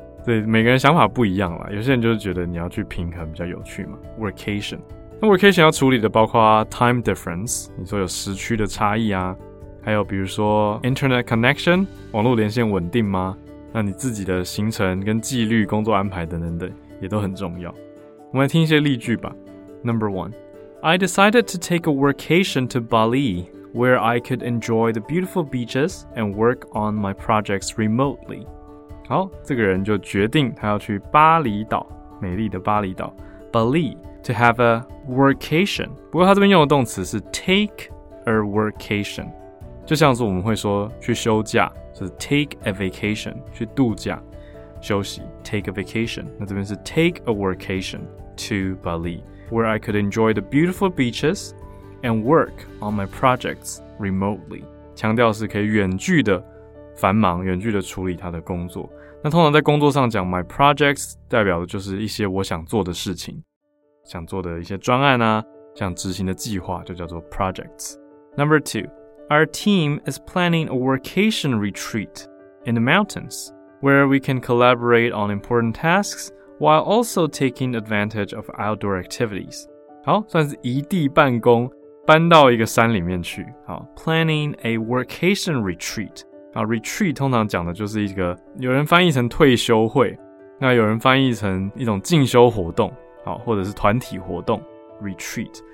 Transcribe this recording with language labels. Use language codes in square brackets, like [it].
[zh] 所以每个人想法不一样啦，有些人就是觉得你要去平衡比较有趣嘛。Workation。那 Workation 要处理的包括 [en] time difference， [zh] 你说有时区的差异啊，还有比如说 [en] internet connection， [zh] 网络连线稳定吗？那你自己的行程跟纪律、工作安排等等等也都很重要。我们来听一些例句吧。 [en] Number one. I decided to take a workation to Bali, where I could enjoy the beautiful beaches and work on my projects remotely. [zh] 好，这个人就决定他要去巴厘岛，美丽的巴厘岛 [en] Bali, to have a workation. [zh] 不过他这边用的动词是 [en] take a workation, [zh] 就像是我们会说去休假，就是 [en] take a vacation, [zh] 去度假休息 take a vacation. 那这边是 [en] take a workation to Bali. Where I could enjoy the beautiful beaches and work on my projects remotely. [zh] 强调是可以远距的繁忙，远距的处理他的工作。那通常在工作上讲 [en] my projects [zh] 代表的就是一些我想做的事情，想做的一些专案啊，想执行的计划就叫做 projects. [en] Number two, our team is planning a workation retreat in the mountains where we can collaborate on important tasks. While also taking advantage of outdoor activities. [zh] 好，算是一地办公，搬到一个山里面去。好 [en] ,planning a workation retreat. [zh] 好 ,retreat 通常讲的就是一个，有人翻译成退休会，那有人翻译成一种进修活动，好，或者是团体活动。 [en] retreat。